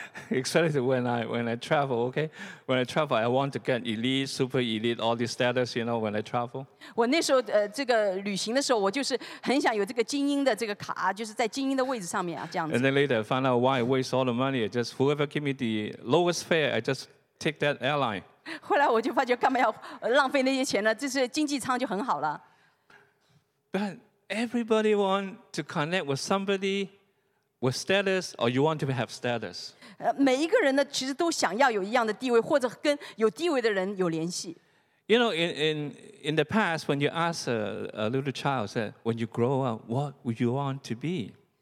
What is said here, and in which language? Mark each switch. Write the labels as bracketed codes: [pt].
[en] Excited when I travel, okay? When I travel, I want to get elite, super elite, all these status, you know, when I travel. [zh] 我那时候这个旅行的时候，我就是很想有这个精英的这个卡，就是在精英的位置上面啊，这样子。 [en] And then later, I found out why I waste all the money. Just whoever give me the lowest fare, I just take that airline. [zh] 后来我就发觉干嘛要浪费那些钱呢？这是经济舱就很好了。 [en] But everybody want to connect with somebody with status, or you want to have status. [zh] 每一个人呢，其实都想要有一样的地位，或者跟有地位的人有联系。 [en] You know, in the past, when you ask a little child, said, "When you grow up, what would you want to be?"